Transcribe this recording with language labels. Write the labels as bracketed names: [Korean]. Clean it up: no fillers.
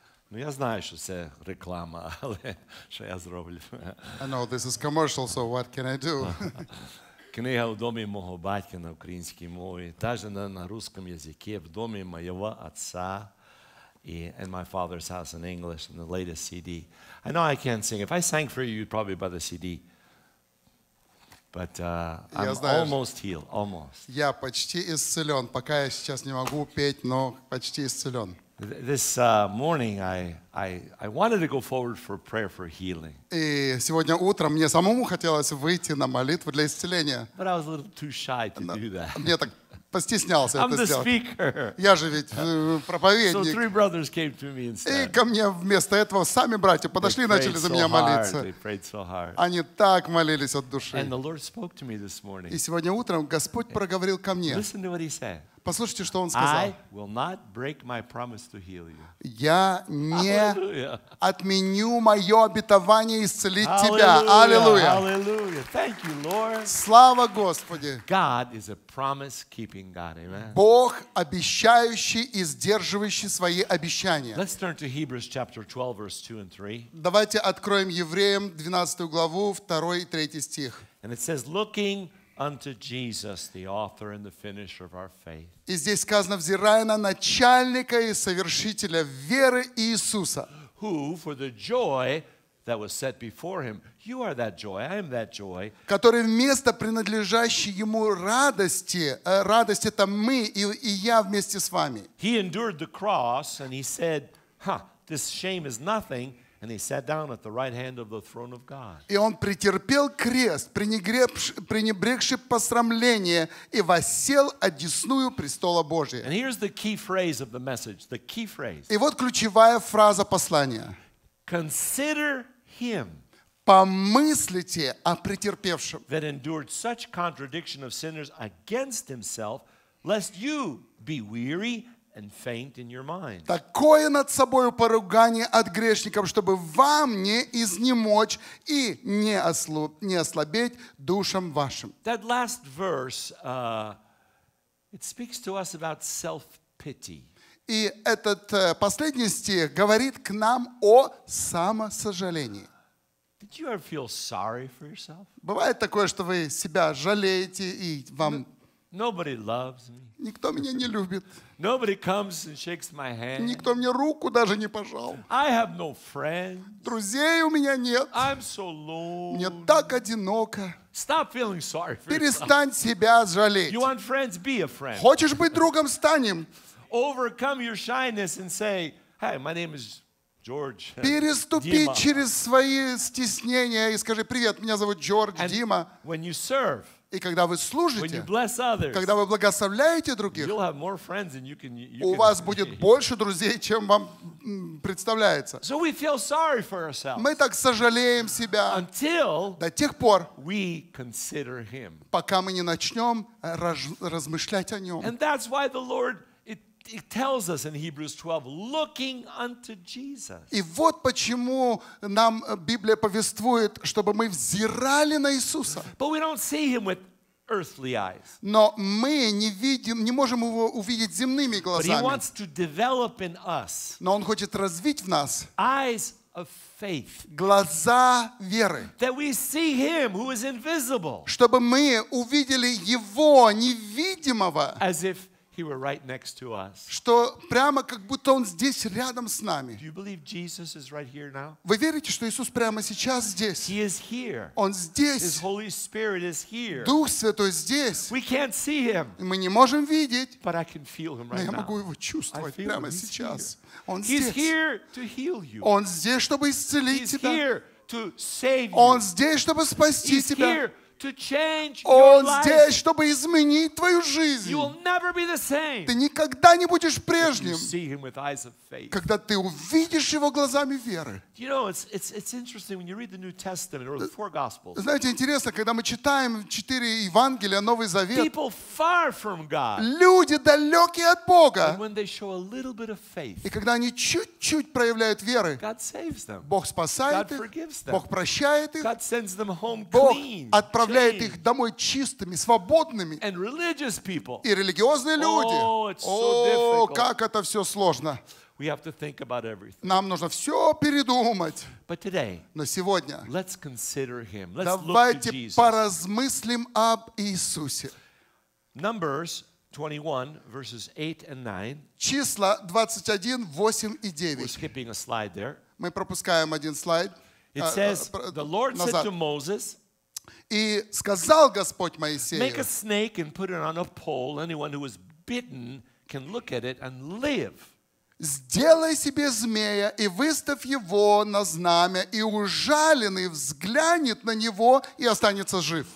[Ukrainian] Ну я знаю, що це реклама, але що я зроблю? [English] I know this is commercial, so what can I do? [Ukrainian] Книга в домі мого батька на українській мові, [Russian] та ж на русском языке, [Ukrainian] в домі моєго отца. [English] And my father's house in English, and the latest CD. I know I can't sing. If I sang for you, you'd probably buy the CD. But I'm almost healed. [Russian] Я почти исцелен. Пока я сейчас не могу петь, но почти исцелен. [English] This morning, I wanted to go forward for prayer for healing. [Russian] И сегодня утром мне самому хотелось выйти на молитву для исцеления. [English] But I was a little too shy to do that. [Russian] Мне так постеснялся это сделать. [English] I'm the speaker. [Russian] Я же ведь проповедник. [English] So three brothers came to me instead. [Russian] И ко мне вместо этого сами братья подошли и начали за меня молиться. [English] They prayed so hard. [Russian] Они так молились от души. [English] And the Lord spoke to me this morning. [Russian] И сегодня утром Господь проговорил ко мне. [English] Listen to what he said. [Russian] Послушайте, что он сказал. [English] I will not break my promise to heal you. [Russian] Я не отменю мое обетование исцелить тебя. [English] Аллилуйя. Аллилуйя. Thank you, Lord. [Russian] Слава Господи. [English] God is a promise-keeping God. Amen. [Russian] Бог обещающий и сдерживающий свои обещания. [English] Let's turn to Hebrews chapter 12, verse 2 and 3. [Russian] Давайте откроем Евреям 12 главу, 2 и 3 стих. [English] And it says, looking unto Jesus, the author and the finisher of our faith. [Russian] И здесь сказано, взирая на начальника и совершителя веры Иисуса. [English] Who, for the joy that was set before him, you are that joy, I am that joy. [Russian] Который вместо принадлежащей ему радости, радость это мы и я вместе с вами. [English] He endured the cross and he said, this shame is nothing. And he sat down at the right hand of the throne of God. [Russian] И он претерпел крест, пренебрегши посрамление, и воссел одесную престола Божия. [English] And here's the key phrase of the message. The key phrase. [Russian] И вот ключевая фраза послания. [English] Consider him. [Russian] Помыслите о претерпевшем. [English] That endured such contradiction of sinners against himself, lest you be weary and faint in your mind. [Russian] Такое над собою поругание от грешников, чтобы вам не изнемочь и не ослабеть душам вашим. [English] That last verse, it speaks to us about self-pity. [Russian] И этот последний стих говорит к нам о самосожалении. [English] Did you ever feel sorry for yourself? [Russian] Бывает такое, что вы себя жалеете и вам... [English] Nobody loves me. [Russian] Никто меня не любит. [English] Nobody comes and shakes my hand. [Russian] Никто мне руку даже не пожал. [English] I have no friends. [Russian] Друзей у меня нет. [English] I'm so lonely. [Russian] Мне так одиноко. [English] Stop feeling sorry for [Russian] Перестань [English] yourself. [Russian] Себя жалеть. [English] You want friends? Be a friend. [Russian] Хочешь быть другом? Станем. [English] Overcome your shyness and say, hey, my name is George. [Russian] Переступи через свои стеснения и скажи, привет, меня зовут Джордж, Дима. [English] When you serve, [Russian] и когда вы служите, [English] others, [Russian] когда вы благословляете других, [English] you'll have more friends than you can, you [Russian] у вас будет больше друзей, чем вам представляется. [English] So we feel sorry for ourselves. [Russian] Мы так сожалеем себя [English] until [Russian] до тех пор, [English] we consider him. [Russian] Пока мы не начнем размышлять о нем. [English] And that's why the Lord it tells us in Hebrews 12, looking unto Jesus. [Russian] И вот почему нам Библия повествует, чтобы мы взирали на Иисуса. [English] But we don't see him with earthly eyes. [Russian] Но мы не видим, не можем его увидеть земными глазами. [English] But he wants to develop in us. [Russian] Но он хочет развить в нас. [English] Eyes of faith. [Russian] Глаза веры. [English] That we see him who is invisible. [Russian] Чтобы мы увидели его невидимого. [English] As if he were right next to us. [Russian] Что прямо как будто он здесь рядом с нами. [English] Do you believe Jesus is right here now? [Russian] Вы верите, что Иисус прямо сейчас здесь? [English] He is here. [Russian] Он здесь. [English] His Holy Spirit is here. [Russian] Дух Святой здесь. [English] We can't see him. [Russian] Мы не можем видеть. [English] But I can feel him right now. [Russian] Но я могу его чувствовать прямо сейчас. Он здесь. [English] He's here to heal you. [Russian] Он здесь, чтобы исцелить тебя. [English] He's here to save you. [Russian] Он здесь, чтобы спасти тебя. [English] To change [Russian] Он [English] your life. [Russian] Здесь, чтобы изменить твою жизнь. [English] You will never be the same. [Russian] Ты никогда не будешь прежним, [English] you see him with eyes of faith. [Russian] Когда ты увидишь его глазами веры. [English] You know, it's interesting when you read the New Testament or the four Gospels. [Russian] Знаете, интересно, когда мы читаем четыре Евангелия, Новый Завет. [English] People far from God. [Russian] Люди далекие от Бога. [English] And when they show a little bit of faith. [Russian] И когда они чуть-чуть проявляют веры. [English] God saves them. [Russian] Бог спасает [English] God [Russian] их. [English] Forgives them. [Russian] Бог прощает их. [English] God sends them home clean. [Russian] оставляет их домой чистыми, свободными. [English] And religious people. [Russian] И религиозные люди. [English] Oh, it's so difficult. [Russian] О, как это все сложно. [English] We have to think about everything. [Russian] Нам нужно все передумать. [English] But today, [Russian] но сегодня [English] let's consider him. Let's [Russian] давайте [English] look to Jesus. [Russian] Поразмыслим об Иисусе. [English] Numbers 21, verses 8 and 9. [Russian] Числа 21, 8 и 9. [English] We're skipping a slide there. [Russian] Мы пропускаем один слайд. [English] It says, the Lord [Russian] назад. [English] Said to Moses, [Russian] и сказал Господь Моисею, [English] make a snake and put it on a pole. Anyone who is bitten can look at it and live. [Russian] Сделай себе змея и выставь его на знамя, и ужаленный взглянет на него и останется жив.